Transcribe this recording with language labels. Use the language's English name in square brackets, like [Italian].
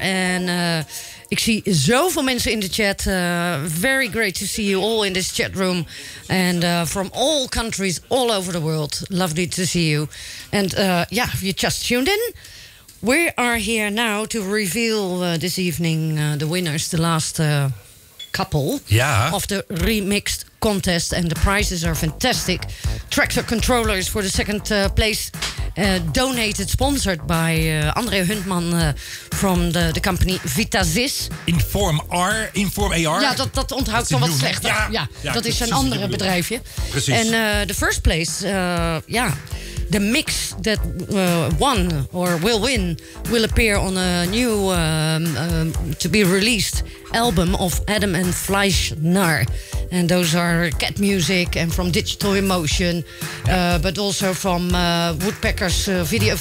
[Dutch] En ik zie zoveel mensen in de chat. [English] Very great to see you all in this chat room. And from all countries all over the world. Lovely to see you. And yeah, you just tuned in. We are here now to reveal this evening the winners, the last couple of the remixed contest, and the prizes are fantastic. Tractor controllers for the second place, donated, sponsored by André Huntman from the company VitaZis. Inform R, Inform AR. [Dutch] Ja, dat onthoud ik dan wat slechter. Ja, dat is een ander bedrijfje. Precies. [English] And the first place, the mix that won or will win will appear on a new to be released album of Adam and Fleischner. And those are Cat Music and from Digital Emotion, but also from Woodpeckers video.